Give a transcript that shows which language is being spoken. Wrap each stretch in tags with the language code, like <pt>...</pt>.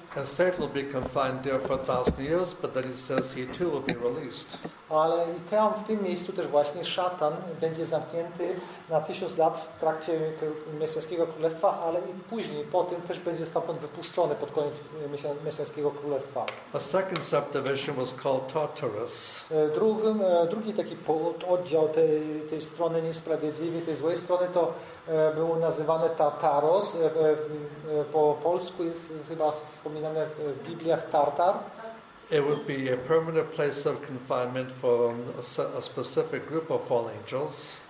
<en>And Satan will be confined there for 1,000 years, but then he says he too will be released.</en> <pl>Ale i tam, w tym miejscu też właśnie szatan będzie zamknięty na 1,000 lat w trakcie Mesjańskiego Królestwa, ale i później, po tym też będzie stamtąd wypuszczony pod koniec Mesjańskiego Królestwa.</pl> <en>A second subdivision was called Tartarus.</en> <pl>Drugi taki oddział tej strony niesprawiedliwej, tej złej strony, to było nazywane Tartaros. Po polsku jest chyba wspominane w Bibliach Tartar.</pl> <en>It would be a permanent place of confinement for a specific group of fallen angels.</en>